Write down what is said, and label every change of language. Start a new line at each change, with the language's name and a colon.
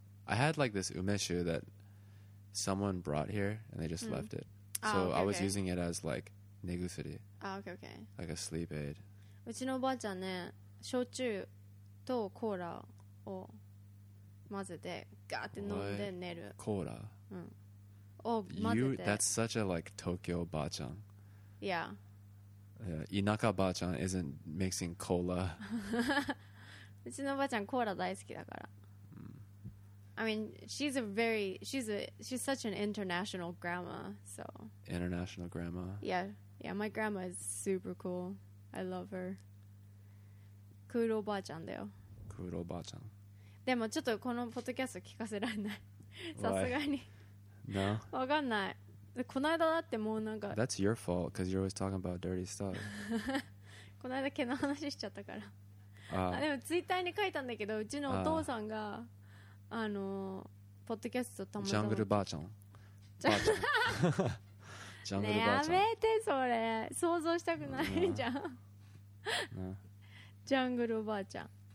English: I had like this 梅酒 that someone brought here and they just left it. So okay, I was okay. using it as like 寝薬。 Okay, okay. Like a sleep aid.
Japanese: うちのおばあちゃんね、焼酎とコーラを混ぜてガーって飲んで寝る。コーラ。うん。を混ぜて。
English: You, that's such a like Tokyo ばあちゃん。 Yeah. Yeah. 田舎ばあちゃん isn't mixing cola.
Japanese: うちのばあちゃんコーラ大好きだから。
English: I mean, she's a very, she's such an international grandma, so. International grandma? Yeah. Yeah, my grandma is super cool. I love her.
Japanese: クールおばあちゃんだよ。クールおばあちゃん。でもちょっとこのポッドキャスト聞かせられない。さすがに。
English: No?
Japanese: わかんない。この間だってもうなんか
English: That's your fault because you're always talking about dirty stuff.
Japanese: この間毛の話しちゃったから。あ、でもツイッターに書いたんだけど、うちのお父さんがあのポッドキャストたまたまジャングルばあちゃん。ジャングルばあちゃん。ねえやめてそれ。想像したくないじゃん。ジャングルばあちゃん。